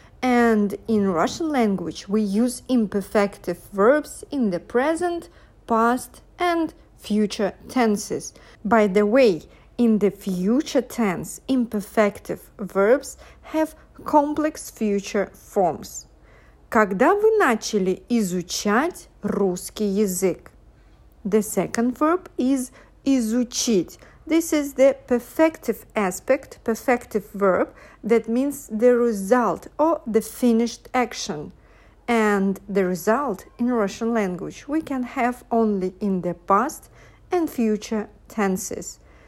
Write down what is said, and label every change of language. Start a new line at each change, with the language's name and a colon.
English: And in Russian language, we use imperfective verbs in the present, past, and future tenses. By the way, in the future tense, imperfective verbs have complex future forms.
Russian: Когда вы начали изучать русский язык?
English: The second verb is изучить. This is the perfective aspect, perfective verb, that means the result or the finished action. And the result in Russian language we can have only in the past and future tenses.